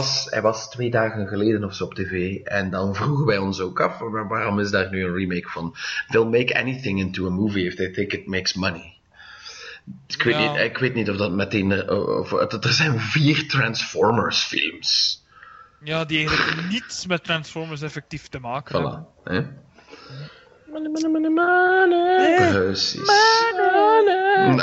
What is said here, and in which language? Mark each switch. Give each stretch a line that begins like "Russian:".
Dutch: hij was twee dagen geleden of zo op tv. En dan vroegen wij ons ook af, waarom is daar nu een remake van?
English: They'll make anything into a movie if they think it makes money.
Dutch: Ik weet niet of dat meteen... Er zijn vier Transformers films. Ja, die eigenlijk niets met Transformers effectief te maken hebben. Voilà. Money.